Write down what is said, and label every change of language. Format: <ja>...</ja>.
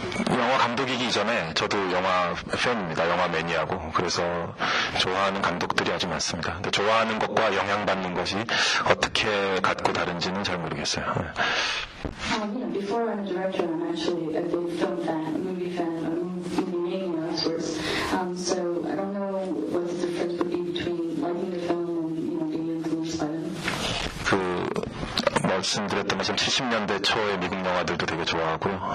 <ko>영화 감독이기 전에 저도 영화 팬입니다. 영화 매니아고 그래서 좋아하는 감독들이 아주 많습니다. 근데 좋아하는 것과 영향받는 것이 어떻게 같고 다른지는 잘 모르겠어요.</ko> <en>Before I'm a director, I'm actually a big film fan, movie fan, movie mania of sorts. So I don't know what the difference would be between liking the film and, you know, being influenced by them.</en> <ko>그 말씀드렸던 것처럼 70년대 초의 미국 영화들도 되게 좋아하고요.</ko>